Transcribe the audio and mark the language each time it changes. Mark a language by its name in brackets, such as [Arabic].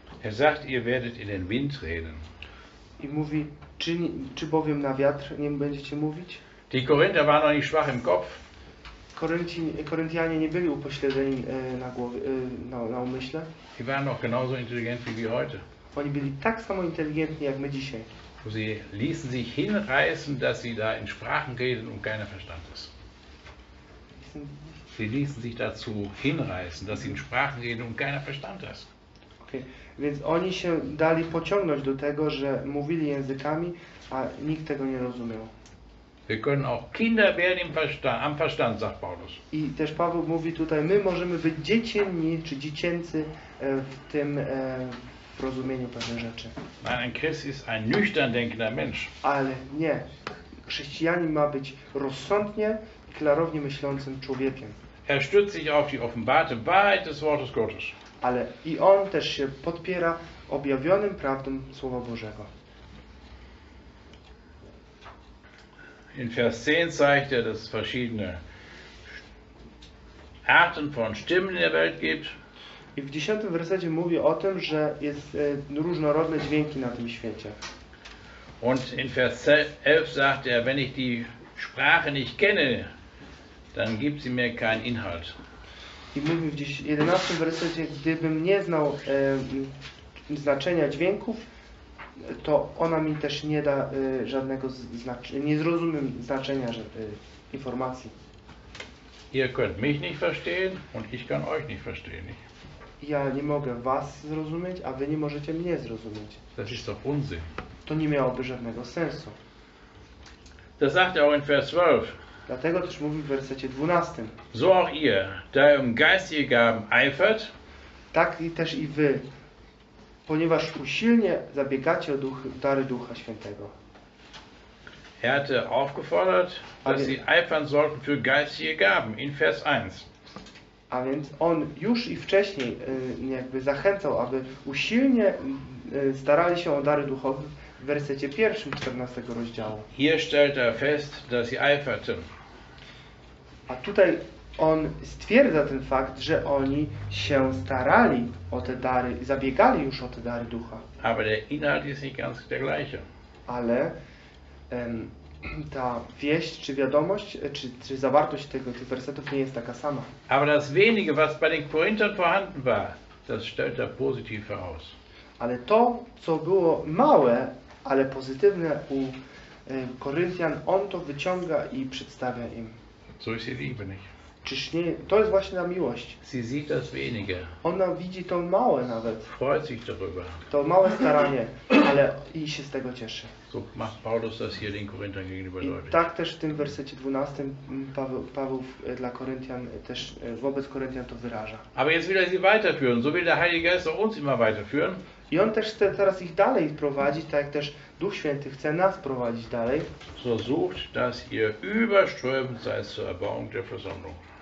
[German] Er sagt, ihr werdet in den Wind reden. [Polish] I mówi, czy bowiem na wiatr nie będziecie mówić? [German] Die Korinther waren noch nicht schwach im Kopf. [Polish] Koryntianie nie byli upośledzeni na umyśle. [German] Die waren noch genauso intelligent wie wir heute. [Polish] Oni byli tak samo inteligentni jak my dzisiaj. [German] Sie ließen sich hinreißen, dass sie da in Sprachen reden und keiner verstand es. Sie ließen sich dazu hinreißen, dass sie in Sprachen reden und keiner verstand es. Okay. [Polish] Więc oni się dali pociągnąć do tego, że mówili językami, a nikt tego nie rozumiał. [German] Wir können auch Kinder werden am Verstand, sagt Paulus. [Polish] I też Paweł mówi tutaj, my możemy być dziecinni czy dziecięcy w tym w rozumieniu pewnych rzeczy. [German] Nein, ein Christ ist ein nüchtern denkender Mensch. [Polish] Ale nie. Chrześcijanin ma być rozsądnie i klarownie myślącym człowiekiem. [German] Er stützt sich auf die offenbarte Wahrheit des Wortes Gottes. [Polish] Ale i on też się podpiera objawionym prawdą Słowa Bożego. [German] In Vers 10 zeigt er, dass es verschiedene Arten von Stimmen in der Welt gibt. [Polish] I w 10 wersecie mówi o tym, że jest różnorodne dźwięki na tym świecie. [German] Und in Vers 11 sagt er, wenn ich die Sprache nicht kenne, dann gibt sie mir keinen Inhalt. [Polish] I mówi w 11 wersecie, gdybym nie znał znaczenia dźwięków, to ona mi też nie da żadnego znaczenia, nie zrozumiem znaczenia informacji. [German] Ihr könnt mich nicht verstehen und ich kann euch nicht verstehen. [Polish] Ja nie mogę was zrozumieć, a wy nie możecie mnie zrozumieć. [German] Das ist doch Unsinn. [Polish] To nie miałoby żadnego sensu. [German] Das sagt er auch in Vers 12. [Polish] Dlatego też mówi w wersecie 12. [German] So auch ihr, da ihr um geistige Gaben eifert. [Polish] Tak i też i wy, ponieważ usilnie zabiegacie o dary Ducha Świętego. [German] Er hatte aufgefordert, dass sie eifern sollten für geistige Gaben in Vers 1. [Polish] A więc on już i wcześniej jakby zachęcał, aby usilnie starali się o dary duchowe w wersecie 1 14 rozdziału. [German] Hier stellt er fest, dass sie eiferten. [Polish] A tutaj on stwierdza ten fakt, że oni się starali o te dary, zabiegali już o te dary ducha. [German] Aber der Inhalt ist nicht ganz der gleiche. [Polish] Ale ta wieść, czy wiadomość, czy zawartość tych wersetów nie jest taka sama. [German] Aber das wenige, was bei den Korinthern vorhanden war, das stellt er positiv heraus. [Polish] Ale to, co było małe, ale pozytywne u Koryntian, on to wyciąga i przedstawia im. [German] So ist die Liebe nicht. [Polish] Czyż nie, to jest właśnie ta miłość. [German] Sie sieht das wenige. [Polish] Ona widzi to małe nawet. [German] Freut sich darüber. [Polish] To małe staranie, ale i się z tego cieszy. [German] So macht Paulus das hier den Korinthern gegenüber deutlich. [Polish] I tak też w tym wersecie 12 Paweł dla Koryntian też wobec Koryntian to wyraża. [German] Aber jetzt will er sie weiterführen, so will der Heilige Geist auch uns immer weiterführen. [Polish] I on też chce teraz ich dalej prowadzić, tak jak też Duch Święty chce nas prowadzić dalej. [German] So sucht, dass ihr überströmt seid zur Erbauung der Versammlung.